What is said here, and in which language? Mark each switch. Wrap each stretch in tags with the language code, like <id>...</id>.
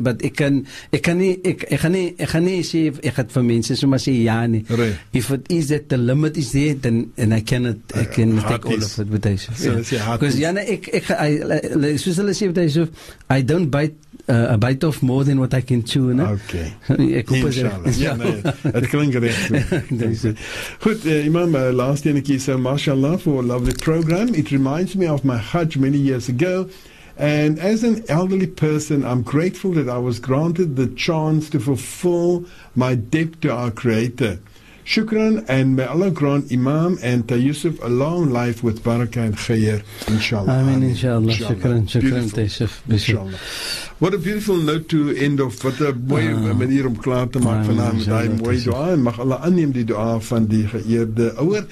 <af>But ek kan nie sê ek het vir mense sommer sê ja nie.</af> <en>Right. If it is that the limit is there, then and I cannot take all of it with this. Because ja, soos hulle sê met this, I don't bite off more than what I can chew, ne? Okay.</en> <af>Ek hoop as het klink recht. Goed, Imam, last ene keer so, mashallah,</af> <en>for a lovely program. It reminds me of my Hajj many years ago. And as an elderly person, I'm grateful that I was granted the chance to fulfill my debt to our Creator. Shukran, and may Allah grant Imam and Tayyusuf a long life with Barakah and Khair. Inshallah. Amen, inshallah. Shukran, Tayyusuf. Inshallah. What a beautiful note to end off. What a</en> <af>mooie manier om klaar te maak vanavond met die mooie dua. En mag Allah aanneem die dua van die geëerde ouwer.</af>